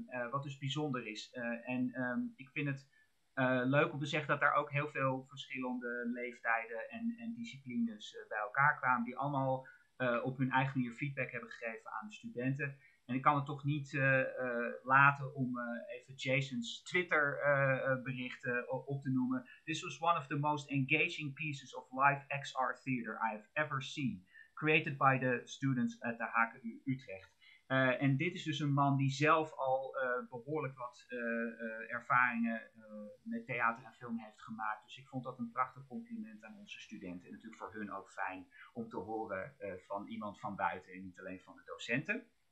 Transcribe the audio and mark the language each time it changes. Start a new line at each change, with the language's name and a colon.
Dutch: Wat dus bijzonder is. Ik vind het leuk om te zeggen dat daar ook heel veel verschillende leeftijden en disciplines bij elkaar kwamen, die allemaal op hun eigen manier feedback hebben gegeven aan de studenten. En ik kan het toch niet laten om even Jason's Twitter berichten op te noemen.
English: This was one of the most engaging pieces of live XR theater I have ever seen. Created by the students at the HKU Utrecht.
Dutch: En dit is dus een man die zelf al behoorlijk wat ervaringen met theater en film heeft gemaakt. Dus ik vond dat een prachtig compliment aan onze studenten. En natuurlijk voor hun ook fijn om te horen van iemand van buiten en niet alleen van de docenten.